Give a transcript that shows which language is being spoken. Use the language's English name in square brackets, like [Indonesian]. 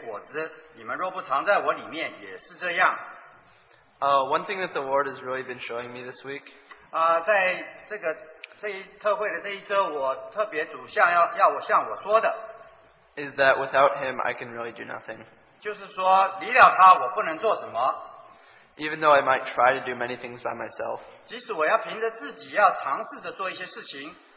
[Chinese] 你们要藏在我里面,我也藏在你们里面。枝子若不藏在葡萄树上,自己就不能结果子。你们若不藏在我里面,也是这样。 [English] One thing that the Lord has really been showing me this week, [Chinese] 在这个特会的这一周,我特别主向要我向我说的, [English] is that without him, I can really do nothing. [Chinese] 就是说,离了他,我不能做什么。 [English] Even though I might try to do many things by myself, [Chinese] 即使我要凭着自己要尝试着做一些事情,